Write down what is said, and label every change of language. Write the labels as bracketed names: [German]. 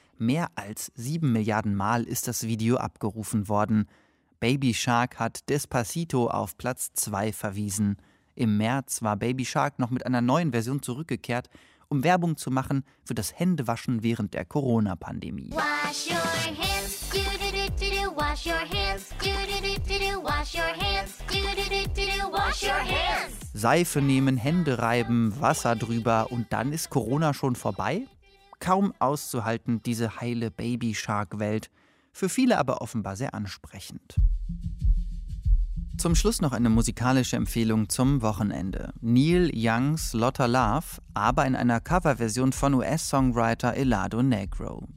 [German] Mehr als 7 Milliarden Mal ist das Video abgerufen worden. Baby Shark hat Despacito auf Platz 2 verwiesen. Im März war Baby Shark noch mit einer neuen Version zurückgekehrt, um Werbung zu machen für das Händewaschen während der Corona-Pandemie. [English] Wash your hands, do-do-do-do-do, wash your hands, do-do-do-do-do, wash your hands, do-do-do-do-do, wash your hands. [German] Seife nehmen, Hände reiben, Wasser drüber und dann ist Corona schon vorbei? Kaum auszuhalten, diese heile Baby Shark-Welt. Für viele aber offenbar sehr ansprechend. Zum Schluss noch eine musikalische Empfehlung zum Wochenende. Neil Youngs Lotta Love, aber in einer Coverversion von US-Songwriter Elado Negro.